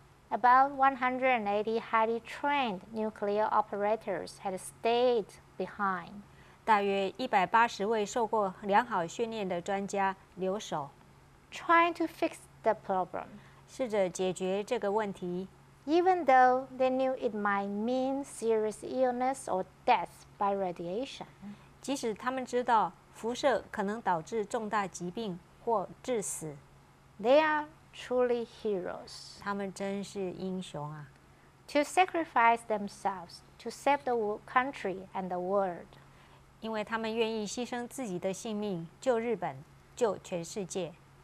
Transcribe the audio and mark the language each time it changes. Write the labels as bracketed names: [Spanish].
[English] About 180 highly trained nuclear operators had stayed behind. [Chinese] 大约180位受过良好训练的专家留守。 [English] Trying to fix the problem. [Chinese] 试着解决这个问题。 [English] Even though they knew it might mean serious illness or death by radiation, [Chinese] 即使他们知道辐射可能导致重大疾病或致死 [English] they are truly heroes. [Chinese] 他们真是英雄啊 [English] To sacrifice themselves to save the country and the world. [Chinese] 因为他们愿意牺牲自己的性命救日本救全世界